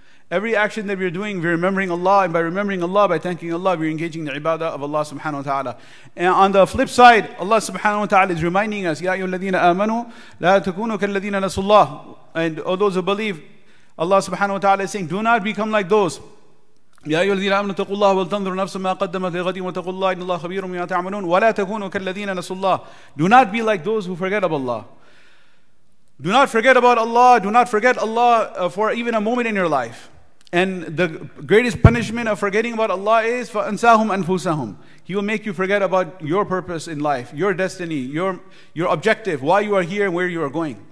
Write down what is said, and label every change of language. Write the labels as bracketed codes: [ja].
[en] Every action that we're doing, we're remembering Allah, and by remembering Allah, by thanking Allah, we're engaging the ibadah of Allah subhanahu wa ta'ala. And on the flip side, Allah subhanahu wa ta'ala is reminding us, [ar] يَا أَيُّهُ الَّذِينَ آمَنُوا لَا تَكُونُوا كَالَّذِينَ نَسُوا اللَّهِ. [en] And all those who believe, Allah subhanahu wa ta'ala is saying, do not become like those. [ar] يَا أَيُّهُ الَّذِينَ آمَنُوا تَقُوا اللَّهَ وَلْتَنْظُرُ نَفْسٌ مَا قَدَّمَتْ لِغَدٍ وَتَقُوا اللَّهَ إِنَّ اللَّهَ خَبِيرٌ بِمَا تَعْمَلُونَ وَلَا تَكُونُوا كَالَّذِينَ نَسُوا اللَّهَ. [en] Do not be like those who forget about Allah. Do not forget about Allah. Do not forget Allah for even a moment in your life. And the greatest punishment of forgetting about Allah is [ar] فَأَنْسَاهُمْ أَنْفُسَهُمْ. [en] He will make you forget about your purpose in life, your destiny, your objective, why you are here and where you are going.